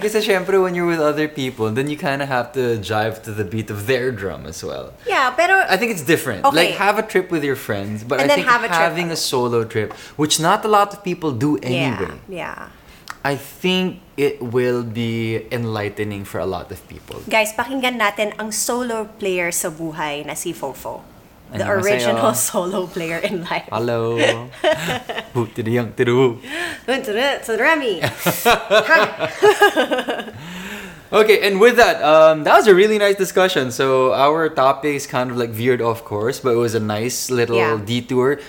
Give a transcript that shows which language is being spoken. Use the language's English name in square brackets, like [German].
[Filipino] Kasi syempre [English] when you're with other people, then you kind of have to jive to the beat of their drum as well. Yeah, pero I think it's different. Okay. Like have a trip with your friends, but and I then think have having a solo trip, which not a lot of people do anyway. Yeah. I think it will be enlightening for a lot of people. [Filipino] Guys, pakinggan natin ang solo player sa buhay na si Fofo. [English] The original solo player in life. Hello. Hootiriyang tiru. Hootiriyang tiru. Remy. Okay, and with that, that was a really nice discussion. So our topics kind of like veered off course, but it was a nice little detour.